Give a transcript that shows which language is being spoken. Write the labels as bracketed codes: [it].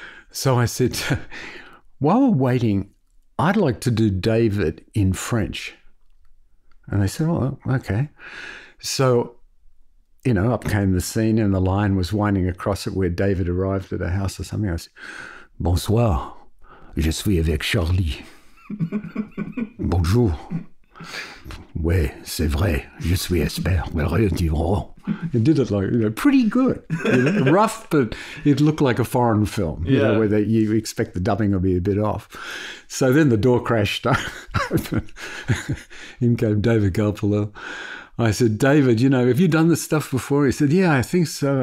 [en] So I said, while we're waiting, I'd like to do David in French. And they said, oh, okay. So, you know, up came the scene and the line was winding across it where David arrived at a house or something. I said, [fr] bonsoir, je suis avec Charlie. Bonjour. Oui, c'est vrai, je suis espère. [en] It did it like, you know, pretty good. You know, rough, but it looked like a foreign film, you know, where you expect the dubbing will be a bit off. So then the door crashed open. In came David Gulpilil. I said, David, you know, have you done this stuff before? He said, yeah, I think so.